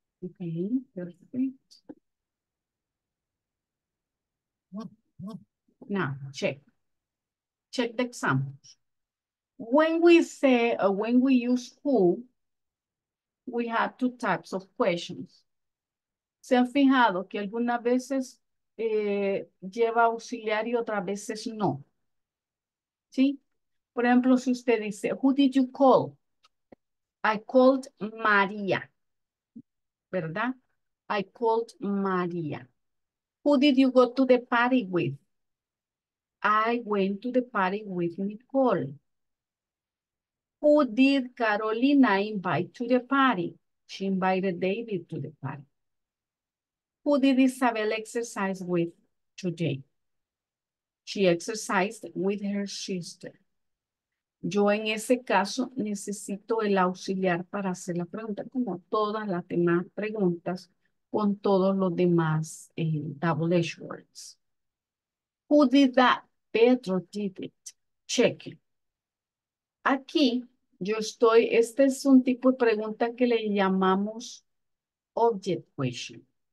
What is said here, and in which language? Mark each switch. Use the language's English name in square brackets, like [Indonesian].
[English] Okay, perfect. Now, check the examples. When we say, or when we use who, we have two types of questions. [Spanish] ¿Se han fijado que algunas veces lleva auxiliar y otras veces no? ¿Sí? Por ejemplo, si usted dice, [English] who did you call? I called María. [Spanish] ¿Verdad? [English] I called María. Who did you go to the party with? I went to the party with Nicole. Who did Carolina invite to the party? She invited David to the party. Who did Isabel exercise with today? She exercised with her sister. [Spanish] Yo en ese caso necesito el auxiliar para hacer la pregunta, como todas las demás preguntas con todos los demás double-edged words. [English] Who did that? Pedro did it. Check it. [Spanish] Aquí yo estoy, este es un tipo de pregunta que le llamamos object question.